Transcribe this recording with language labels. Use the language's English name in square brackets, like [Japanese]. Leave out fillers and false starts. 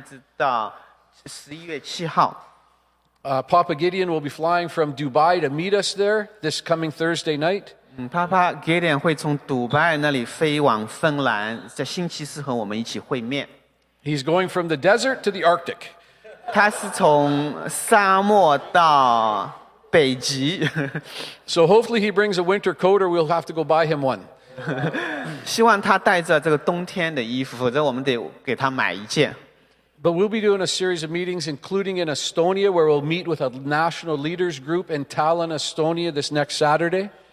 [Chinese] 所以我们会这周三离开去芬兰一直到11月7号。 [English] Papa Gideon will be flying from Dubai to meet us there this coming Thursday night. [Chinese] Papa Gideon会从杜拜那里飞往芬兰，在星期四和我们一起会面。 [English] He's going from the desert to the Arctic. [Chinese] 他是从沙漠到北极。 [English] So hopefully he brings a winter coat or we'll have to go buy him one. [Chinese] 希望他带着这个冬天的衣服，否则我们得给他买一件。 [English] But we'll be doing a series of meetings, including in Estonia, where we'll meet with a national leaders group in Tallinn, Estonia, this next Saturday.